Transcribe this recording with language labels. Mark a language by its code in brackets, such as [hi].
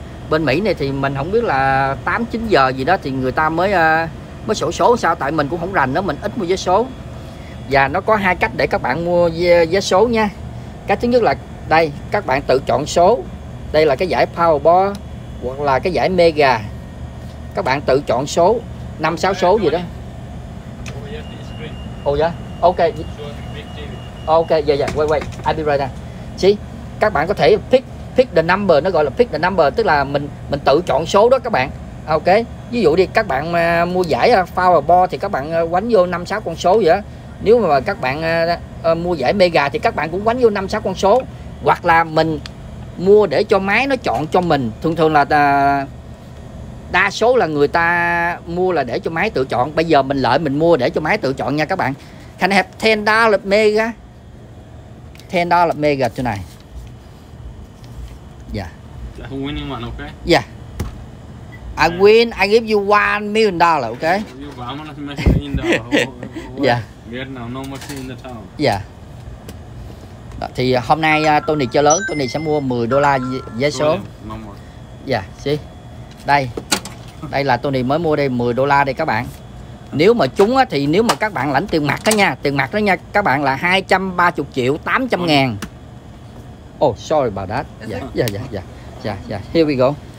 [vi] Bên Mỹ này thì mình không biết là 8-9 giờ gì đó thì người ta mới sổ số sao, tại mình cũng không rành đó, mình ít mua vé số. Và nó có hai cách để các bạn mua vé số nha. Cái thứ nhất là đây, các bạn tự chọn số. Đây là cái giải Powerball hoặc là cái giải Mega. Các bạn tự chọn số 5-6 số gì đó. [en] Oh yeah, okay. Okay, yeah. Wait. I'll be right there. See, [vi] các bạn có thể [en] pick the number, [vi] nó gọi là pick the number, tức là mình tự chọn số đó các bạn. Ok, ví dụ đi các bạn mua giải Powerball thì các bạn quánh vô 5-6 con số vậy đó. Nếu mà các bạn mua giải Mega thì các bạn cũng quánh vô 5-6 con số. Hoặc là mình mua để cho máy nó chọn cho mình. Thường thường là đa số là người ta mua là để cho máy tự chọn. Bây giờ mình lợi mình mua để cho máy tự chọn nha các bạn. [en] Can I have $10 Mega? $10 Mega tonight. Yeah. That's a winning one, okay? Yeah. I win, I give you $1 million, okay? You want to make $1 million? Yeah. Vietnam, no machine in the town. Yeah. [vi] Đó, thì hôm nay Tony chơi lớn, Tony sẽ mua $10 vé số. [en] No more. Yeah, see? Đây. [vi] Đây là Tony mới mua đây, $10 đây các bạn. Nếu mà trúng á, thì nếu mà các bạn lãnh tiền mặt đó nha, tiền mặt đó nha, các bạn là 230 triệu 800 ngàn. [en] Oh, sorry about that. Yeah. Here we go.